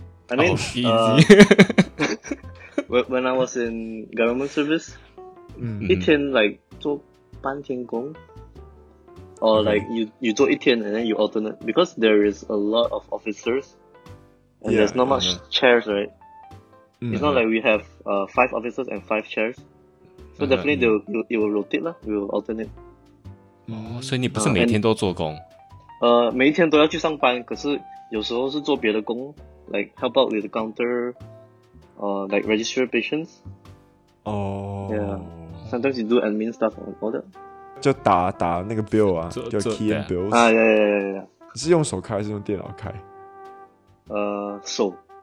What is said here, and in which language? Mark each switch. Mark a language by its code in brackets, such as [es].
[en] I mean, when I was in government service, [zh] 一天 [en] like [zh] 做半天工 [en] or like you [zh] 做一天 [en] and then you alternate, because there is a lot of officers and there's not much chairs, right? It's not like we have five officers and five chairs, so definitely it will rotate, we will alternate. [zh] 所以你不是每天都做工？每一天都要去上班，可是有时候是做别的工。 [en] Like help out with the counter, like register patients. Yeah. Sometimes you do admin stuff on order. [zh] 就打那个 bill 啊，叫 [en] key and bills. 啊 ，yeah. [zh] 是用手开还是用电脑开？手。